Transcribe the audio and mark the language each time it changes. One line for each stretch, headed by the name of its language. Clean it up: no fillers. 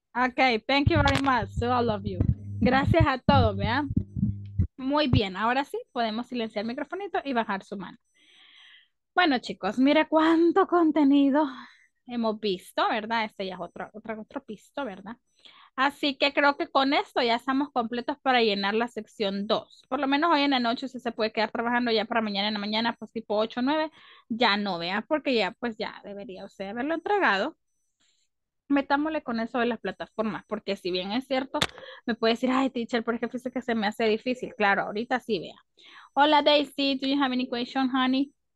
English: Okay, thank you very much to all of you.
Spanish: Gracias a todos, ¿vean? Muy bien, ahora sí, podemos silenciar el microfonito y bajar su mano. Bueno, chicos, mire cuánto contenido hemos visto, ¿verdad? Este ya es otro pisto, ¿verdad? Así que creo que con esto ya estamos completos para llenar la sección 2. Por lo menos hoy en la noche usted se puede quedar trabajando ya para mañana en la mañana, pues tipo 8 o 9, ya no, vea, porque ya pues ya debería usted haberlo entregado. Metámosle con eso de las plataformas, porque si bien es cierto, me puede decir, ay, teacher, por ejemplo, sé que se me hace difícil. Claro, ahorita sí, vea.
English: Hola, Daisy, do you have any question, honey?